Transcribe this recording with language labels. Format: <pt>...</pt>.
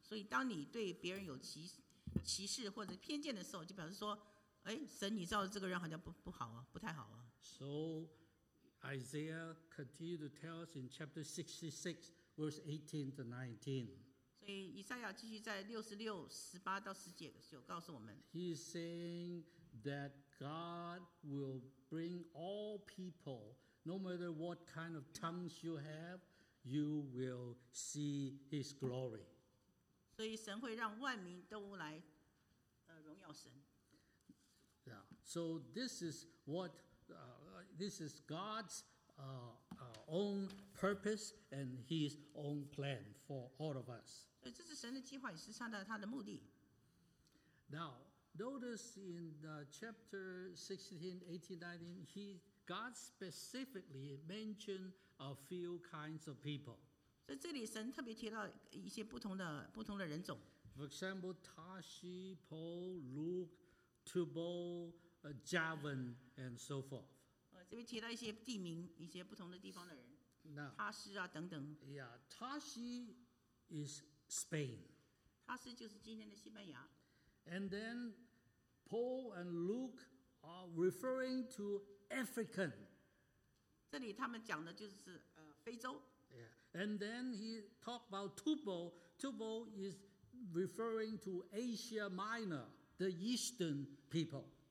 <zh>所以，当你对别人有歧视或者偏见的时候，就表示说：“哎，神，你造的这个人好像不好啊，不太好啊。”</zh> <en>So Isaiah continued to tell us in chapter 66, verse 18 to 19.</en> <zh>所以以赛亚继续在66、18到10节就告诉我们</zh> <en>，He is saying that God will bring all people. No matter what kind of tongues you have, you will see His glory.</en> <zh>所以神会让万民都来荣耀神。</zh> <en>Yeah. So this is what this is God's own purpose and His own plan for all of us.</en> <zh>所以这是神的计划，也是上帝他的目的。</zh> <en>Now, notice in chapter 16, 18, 19, God specifically mentioned a few kinds of people.</en> <zh>在这里，神特别提到一些不同的人种。</zh> <en>For example, Tashi, Paul, Luke, Tubal, Javan, and so forth.</en> <zh>这边提到一些地名，一些不同的地方的人。</zh> <en>Now,</en> <zh>他是啊，等等。</zh> <en>Yeah, Tashi is Spain.</en> <zh>他是就是今天的西班牙。</zh> <en>And then Paul and Luke are referring to. African.</en> <zh>这里他们讲的就是非洲。</zh> <en>Yeah. And then he talked about Tubal. Tubal is referring to Asia Minor, the Eastern people.</en>